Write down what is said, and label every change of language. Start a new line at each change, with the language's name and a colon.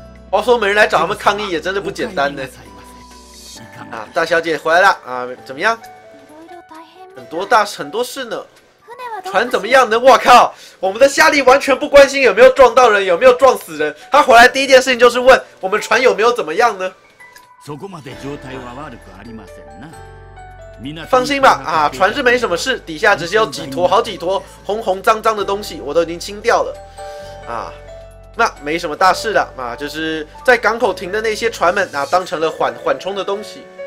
Chinese: 话说没人来找他们抗议也真的不简单呢。啊，大小姐回来了啊，怎么样？很多大很多事呢，船怎么样呢？哇靠，我们的夏莉完全不关心有没有撞到人，有没有撞死人，他回来第一件事情就是问我们船有没有怎么样呢。
Japanese: そこまで状態は悪くありませんな。
Chinese: 放心吧，啊，船是没什么事，底下只是有几坨好几坨红红脏脏的东西，我都已经清掉了啊，那没什么大事的啊，就是在港口停的那些船们啊，当成了缓冲的东西。